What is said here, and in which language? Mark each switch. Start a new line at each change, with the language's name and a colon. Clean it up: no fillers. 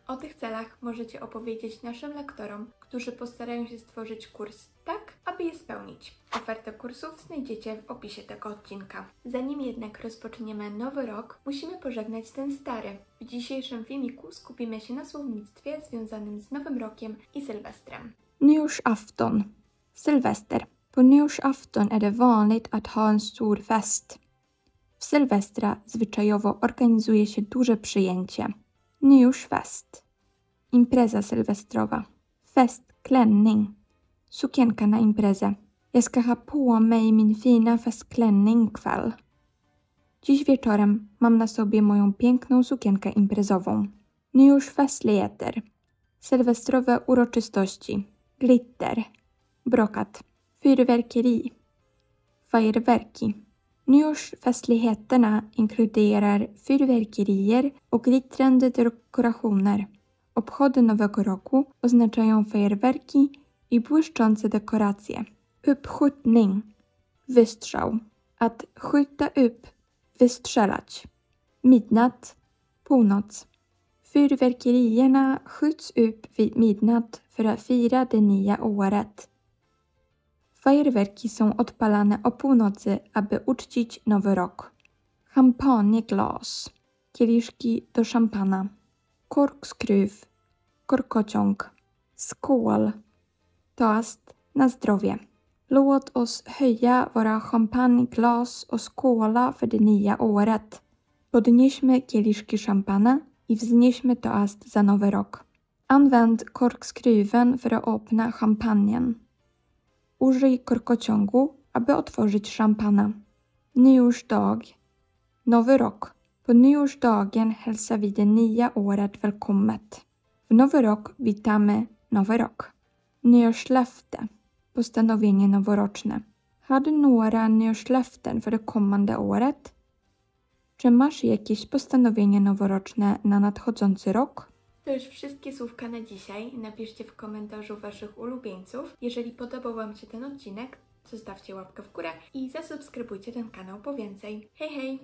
Polish: O tych celach możecie opowiedzieć naszym lektorom, którzy postarają się stworzyć kurs tak, aby je spełnić. Ofertę kursów znajdziecie w opisie tego odcinka. Zanim jednak rozpoczniemy nowy rok, musimy pożegnać ten stary. W dzisiejszym filmiku skupimy się na słownictwie związanym z Nowym Rokiem i Sylwestrem.
Swedish: Nyårsafton.
Polish: Sylwester.
Swedish: På nyårsafton är det vanligt att ha en stor fest.
Polish: W Sylwestra zwyczajowo organizuje się duże przyjęcie.
Swedish: Nyårsfest.
Polish: Impreza sylwestrowa.
Swedish: Fest klänning.
Polish: Sukienka na imprezę.
Swedish: Jag ska ha på mig min fina festklänning kväll.
Polish: Dziś wieczorem mam na sobie moją piękną sukienkę imprezową.
Swedish: Nyårsfestligheter.
Polish: Sylwestrowe uroczystości.
Swedish: Glitter.
Polish: Brokat.
Swedish: Fyrverkeri.
Polish: Fajerwerki.
Swedish: Nyårsfestligheterna inkluderar fyrverkerier och glittrande dekorationer.
Polish: Obchody nowego roku oznaczają fajerwerki i błyszczące dekoracje.
Swedish: Uppskjutning.
Polish: Wystrzał.
Swedish: Att skjuta upp.
Polish: Wystrzelać.
Swedish: Midnatt.
Polish: Północ.
Swedish: Fyrverkerierna skjuts upp vid midnatt för att fira det nya året.
Polish: Fajerwerki są odpalane o północy, aby uczcić nowy rok.
Swedish: Champagneglas.
Polish: Kieliszki do szampana.
Swedish: Korkskruv.
Polish: Korkociąg.
Swedish: Skål.
Polish: Toast na zdrowie.
Swedish: Låt oss höja våra champagneglas och skåla för det nya året.
Polish: Podnieśmy kieliszki szampana i wznieśmy toast za nowy rok.
Swedish: Använd korkskruven för att öppna champagnen.
Polish: Użyj korkociągu, aby otworzyć szampana.
Swedish: Nyårsdag.
Polish: Nowy rok.
Swedish: På nyårsdagen hälsar vi det nya året välkommet.
Polish: W nowy rok witamy nowy rok.
Swedish: Nyårslöfte.
Polish: Postanowienie noworoczne.
Swedish: Har du några nyårslöften för det kommande året?
Polish: Czy masz jakieś postanowienie noworoczne na nadchodzący rok? To już wszystkie słówka na dzisiaj. Napiszcie w komentarzu waszych ulubieńców. Jeżeli podobał wam się ten odcinek, zostawcie łapkę w górę i zasubskrybujcie ten kanał po więcej. Hej, hej!